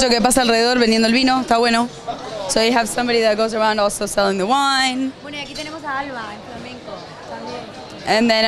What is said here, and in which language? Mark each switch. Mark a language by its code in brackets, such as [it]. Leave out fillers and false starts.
[es] muchacho que pasa alrededor vendiendo el vino, está bueno. [en] So you have somebody that goes around also selling the wine. [es] Bueno, y aquí tenemos a Alba en flamenco también.